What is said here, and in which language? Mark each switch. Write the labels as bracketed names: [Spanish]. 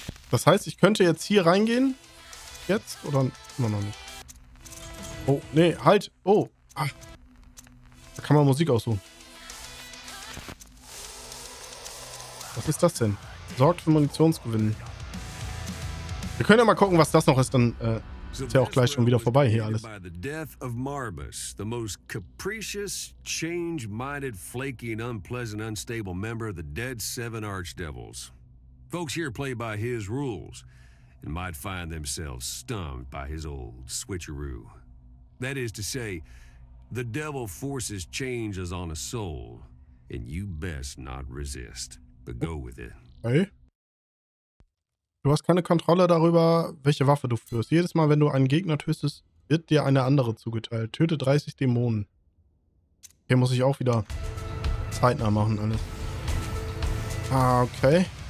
[German] Das heißt, ich könnte jetzt hier reingehen. Jetzt oder immer noch nicht? Oh, nee, halt. Oh, ach. Da kann man Musik aussuchen. Was ist das denn? Sorgt für Munitionsgewinn. Wir können ja mal gucken, was das noch ist. Dann Ist ja auch gleich schon wieder vorbei hier alles. [English] Marbus, the most capricious, change-minded, flaky and unpleasant, unstable member of the Dead Seven Archdevils. Folks here play by his rules and might find themselves stumped by his old switcheroo. That is to say, the devil forces changes on a soul and you best not resist, but go with it. Hey. [German] Du hast keine Kontrolle darüber, welche Waffe du führst. Jedes Mal, wenn du einen Gegner tötest, wird dir eine andere zugeteilt. Töte 30 Dämonen. Hier muss ich auch wieder zeitnah machen alles. Ah, okay.